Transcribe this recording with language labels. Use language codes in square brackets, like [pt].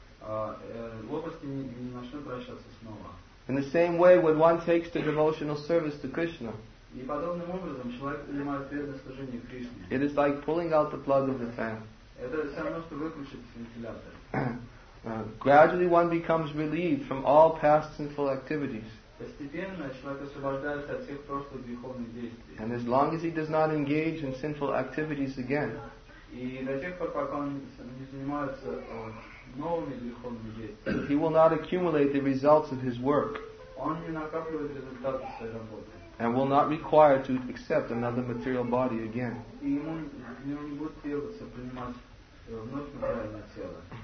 [ru] Лопасти не начнут вращаться снова. [en] In the same way, when one takes the devotional service to Krishna, [ru] и подобным образом человек принимает преданное служение Кришне. [en] It is like pulling out the plug of the fan. [ru] Это все равно, что выключить вентилятор. [en] Gradually one becomes relieved from all past sinful activities. [ru] Постепенно человек освобождается от всех прошлых греховных действий. [en] And as long as he does not engage in sinful activities again, [ru] и до тех пор, пока он не занимается новыми греховными действиями, [en] he will not accumulate the results of his work. [ru] Он не накапливает результаты своей работы. [en] And will not require to accept another material body again. [ru] И ему не будет требоваться принимать вновь материальное тело.